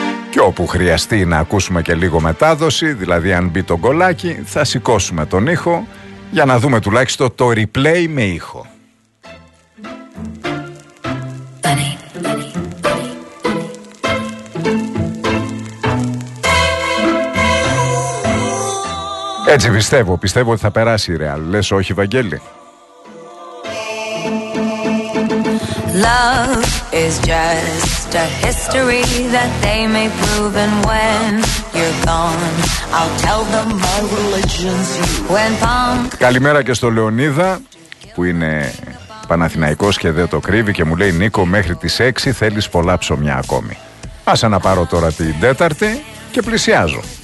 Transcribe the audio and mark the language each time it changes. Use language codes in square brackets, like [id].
[el] Και όπου χρειαστεί να ακούσουμε και λίγο μετάδοση, δηλαδή αν μπει το γκολάκι, θα σηκώσουμε τον ήχο για να δούμε τουλάχιστον το replay με ήχο. Έτσι πιστεύω, πιστεύω ότι θα περάσει η Ρεάλ. Λες όχι, Βαγγέλη? [en] Love is just a history that they may prove, and when you're gone, I'll tell them my religion's you. When punk... [el] Καλημέρα και στο Λεωνίδα που είναι Παναθηναϊκός και δεν το κρύβει και μου λέει: Νίκο, μέχρι τις 6 θέλεις πολλά ψωμιά ακόμη. Άσε να πάρω τώρα την τέταρτη και πλησιάζω.